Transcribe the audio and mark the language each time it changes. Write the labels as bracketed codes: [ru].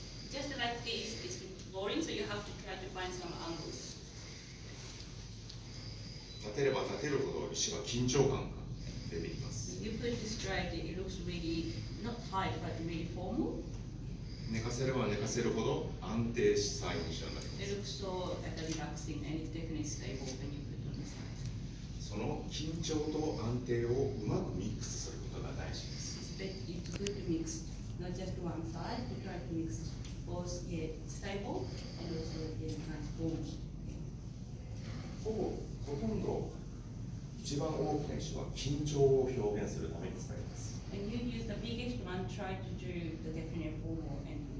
[en] Just like this, it's boring, so you have to try to find some angles. [ja] 立てれば立てるほど石は緊張感が出てきます。 [en] You put this right, it looks really not high, but really formal. [ja] 寝かせれば寝かせるほど安定さに仕上がります。 [en] It looks so relaxing and it's definitely stable when you put on the side. [ja] その緊張と安定をうまくミックスすることが大事です。 [en] It's good to mix, not just one side, you try to mix both, yeah, stable and also in nice form. [ja] ほぼほとんど一番大きな石は緊張を表現するために使います。 [en] And you use the biggest one, try to do the definite formal and.